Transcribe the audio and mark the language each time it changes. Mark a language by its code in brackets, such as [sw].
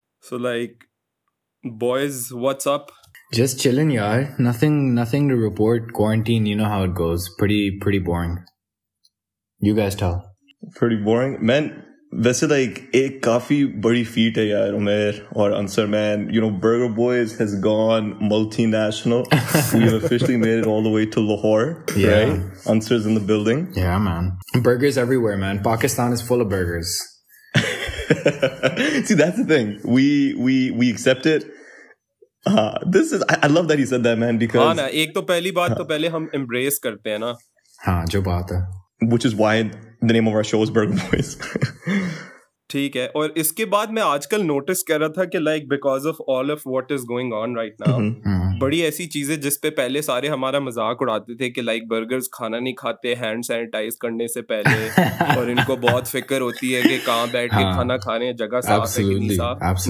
[en] So like boys, what's up? Just chilling, yaar. Nothing to report. Quarantine, you know how it goes. Pretty boring. You guys tell. Pretty boring. Man, [hi] वैसे like एक काफी बड़ी feat है यार उमेर और Ansar. [en] Man, you know, Burger Boys has gone multinational. We have officially made it all the way to Lahore. Yeah. Right? Ansar's in the building. Yeah, man. Burgers everywhere, man. Pakistan is full of burgers. See, that's the thing. We accept it. This is I love that he said that, man, because [hi] हाँ ना एक तो पहली बात तो पहले हम embrace करते हैं ना. हाँ जो बात है. [en] Which is why the name of our show is Burger Boys. [hi] ठीक है. और इसके बाद मैं आजकल notice कर रहा था कि [en] like because of all of what is going on right now, [hi] बड़ी ऐसी चीजें जिस पे पहले सारे हमारा मजाक उड़ाते थे कि लाइक बर्गर्स खाना नहीं खाते हैंड सैनिटाइज करने से पहले और इनको बहुत फिक्र होती है कि कहाँ बैठ के खाना खाने है, जगह साफ है कि नहीं साफ.